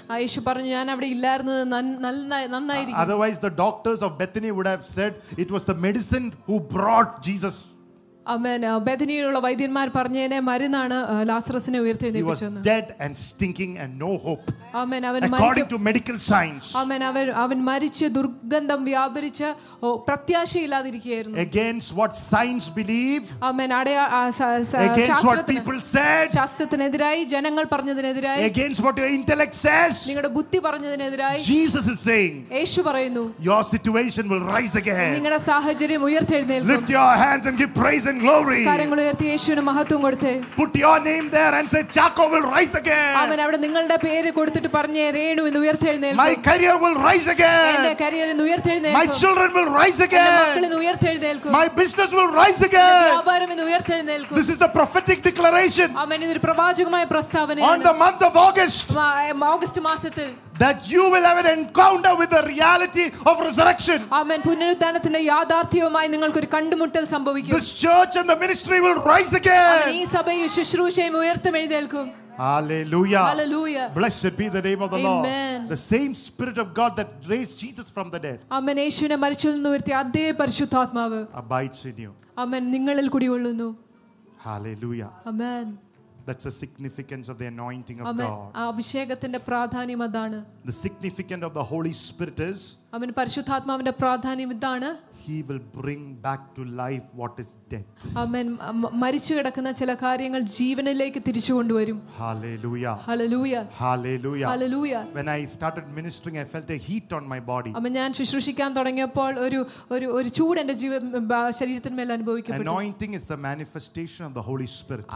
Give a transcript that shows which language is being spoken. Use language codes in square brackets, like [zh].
[ml] ആ യേശു പറഞ്ഞു ഞാൻ അവിടെ ഇല്ലായിരുന്നത് നന്നായിരിക്കും. [en] Otherwise the doctors of Bethany would have said it was the medicine who brought Jesus. Amen. [ml] ബെഥനിയിലുള്ള വൈദ്യന്മാർ പറഞ്ഞേനെ മരുന്നാണ് ലാസറസിനെ ഉയർത്തെഴുന്നേൽപ്പിച്ചത്. അവൻ മരിച്ച് ദുർഗന്ധം വ്യാപരിച്ച് പ്രത്യാശയില്ലാതിരിക്കുകയായിരുന്നു. [en] Against what science believe, [ml] amen, അടയാ [en] Against what people said, [ml] ശാസ്ത്രത്തിനെതിരായി, ജനങ്ങൾ പറഞ്ഞതിനെതിരായി, [en] Against what your intellect says, [ml] നിങ്ങളുടെ ബുദ്ധി പറഞ്ഞതിനെതിരായി, [en] Jesus is saying, [ml] യേശു പറയുന്നു, [en] your situation will rise again, [ml] നിങ്ങളുടെ സാഹചര്യം ഉയർത്തെഴുന്നേൽക്കും. [en] Lift your hands and give praise and glory, [ml] കാര്യങ്ങളെ ഉയർത്തി യേശുവിന് മഹത്വം കൊടുത്തേ. [en] Put your name there and say Chaco will rise again, [ml] അവൻ അവിടെ നിങ്ങളുടെ പേര് കൊടുത്തിട്ട് പറഞ്ഞേ രേണു എന്ന് ഉയർത്തെഴുന്നേൽക്കും. [en] My career will rise again, [ml] എന്റെ കരിയർ എന്ന് ഉയർത്തെഴുന്നേൽക്കും. [en] My children will rise again, [ml] എന്റെ മക്കൾ എന്ന് ഉയർത്തെഴുന്നേൽക്കും. [en] My business will rise again, [ml] എന്റെ വ്യാപാരം എന്ന് ഉയർത്തെഴുന്നേൽക്കും. [en] This is the prophetic declaration, [ml] അവൻ ഇതൊരു പ്രവാചകമായ പ്രസ്താവനയാണ്. [en] On the month of August, [ml] August മാസത്തിൽ, [en] that you will have an encounter with the reality of resurrection, [ml] amen, പുനരുത്ഥാനത്തിന്റെ യാഥാർത്ഥ്യവുമായി നിങ്ങൾക്ക് ഒരു കണ്ടുമുട്ടൽ സംഭവിക്കും. [en] This church and the ministry will rise again, [ml] അതിൽ ഈ സഭയും ശുശ്രൂഷയും ഉയർത്തെഴുന്നേൽക്കും. Hallelujah. Hallelujah. [en] Blessed be the name of the Amen. Lord. Amen. The same spirit of God that raised Jesus from the dead, [ml] amen, യേശുവിനെ മരിച്ചതിൽ നിന്ന് ഉയർത്തി അതേ പരിശുദ്ധാത്മാവ് [en] abides in you, [ml] amen, നിങ്ങളിൽ കുടികൊള്ളുന്നു. Hallelujah. Amen. [en] That's the significance of the anointing of, amen, God. [ml] അഭിഷേകത്തിന്റെ പ്രാധാന്യം അതാണ്. [en] The significance of the Holy Spirit is, [ml] അവന് പരിശുദ്ധാത്മാവിന്റെ പ്രാധാന്യം ഇതാണ്. [en] He will bring back to life what is dead. Amen. [ml] മരിച്ചു കിടക്കുന്ന ചില കാര്യങ്ങൾ ജീവനിലേക്ക് തിരിച്ചു കൊണ്ടുവരും. Hallelujah. Hallelujah. Hallelujah. Hallelujah. [en] When I started ministering, I felt a heat on my body. [ml] അമ്മ ഞാൻ ശുശ്രൂഷിക്കാൻ തുടങ്ങിയപ്പോൾ ഒരു ചൂട് എന്റെ ശരീരത്തിന്മേൽ അനുഭവിക്കപ്പെട്ടു. [en] Anointing is the manifestation of the Holy Spirit.